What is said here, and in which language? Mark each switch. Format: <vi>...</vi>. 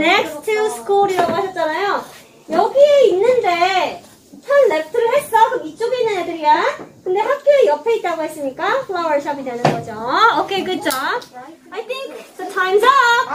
<ko>Next to school이라고 하셨잖아요. 여기에 있는데 turn left를 했어. 그럼 이쪽에 있는 애들이야. 근데 학교 옆에 있다고 했으니까 flower shop이 되는 거죠.</ko> <en>Okay, good job. I think the time's up.</en>